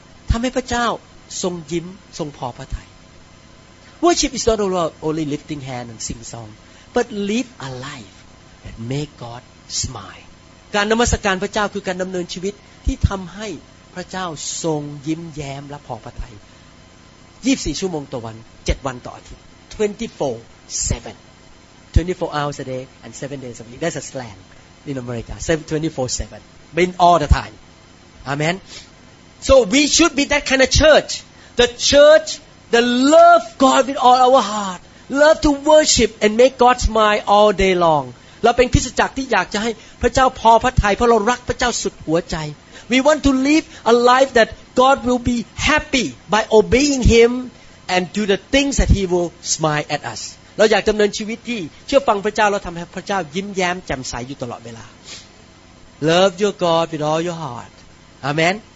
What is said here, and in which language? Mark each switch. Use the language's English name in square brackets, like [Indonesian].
[Thai] ทำให้พระเจ้าทรงยิ้มทรงพอพระทัย [English] Worship is not only lifting hands and sing song but live a life that make God smile [Thai] การนมัสการพระเจ้าคือการดำเนินชีวิตที่ทำให้พระเจ้าทรงยิ้มแย้มและพอพระทัย 24ชั่วโมงต่อวัน7วันต่ออาทิตย์ [English] 24/7 24 hours a day and 7 days a week that's a slang in America 24/7 been all the time amenSo we should be that kind of church. The church that love God with all our heart. Love to worship and make God smile all day long. [Thai] เราเป็นคริสตจักรที่อยากจะให้พระเจ้าพอพระทัยเพราะเรารักพระเจ้าสุดหัวใจ [English] We want to live a life that God will be happy by obeying Him and do the things that He will smile at us. [Thai] เราอยากดำเนินชีวิตที่เชื่อฟังพระเจ้าแล้วทำให้พระเจ้ายิ้มแย้มแจ่มใสอยู่ตลอดเวลา [English] Love your God with all your heart. Amen.